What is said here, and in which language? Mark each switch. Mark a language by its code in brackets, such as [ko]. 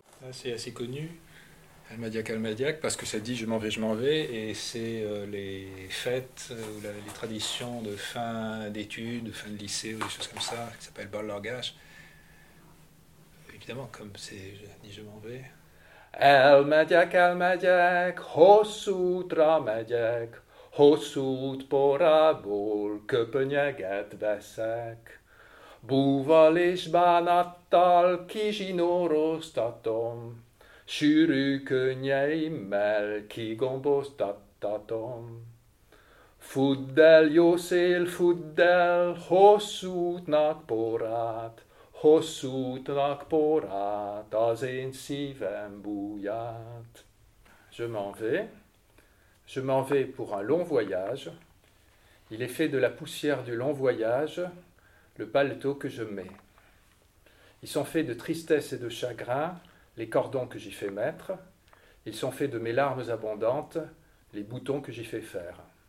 [fr] C'est assez connu, Almadiac, Almadiac, parce que ça dit je m'en vais, et c'est les fêtes ou les traditions de fin d'études, fin de lycée ou des choses comme ça, qui s'appellent bal langage. Évidemment, comme c'est je dis je m'en vais. [hu] Elmegyek, elmegyek, hosszú útra megyek, hosszú út porából köpönyeget veszek. Búval és bánattal kizsinóroztatom, sűrű könnyeimmel kigomboztattatom. Fudd el, jó szél, fudd el, hosszú útnak porát, hosszú útnak porát, az én szívem búját. [fr] Je m'en vais. Je m'en vais pour un long voyage. Il est fait de la poussière du long voyage, le paletot que je mets. Ils sont faits de tristesse et de chagrin, les cordons que j'y fais mettre. Ils sont faits de mes larmes abondantes, les boutons que j'y fais faire.